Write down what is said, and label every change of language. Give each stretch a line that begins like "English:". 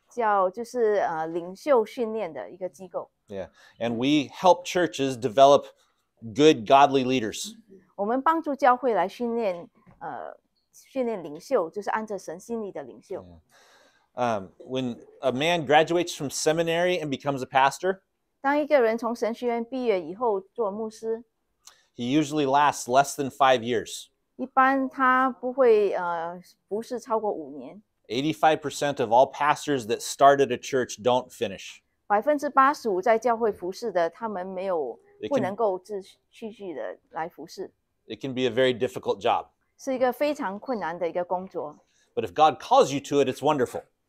Chinese: 我为一个机构服务，叫就是领袖训练的一个机构。
English: Yeah, and we help churches develop good godly leaders.
Chinese: 我们帮助教会来训练领袖，就是按着神心意的领袖。
English: When a man graduates from seminary and becomes a pastor,
Chinese: 当一个人从神学院毕业以后做牧师,
English: he usually lasts less than 5 years.
Chinese: 一般他不会不是超过五年。
English: 85% of all pastors that started a church don't finish.
Chinese: 85%在教会服事的，他们没有不能够继续的来服事。
English: It can be a very difficult job.
Chinese: 是一个非常困难的一个工作。
English: But if God calls you to it, it's wonderful.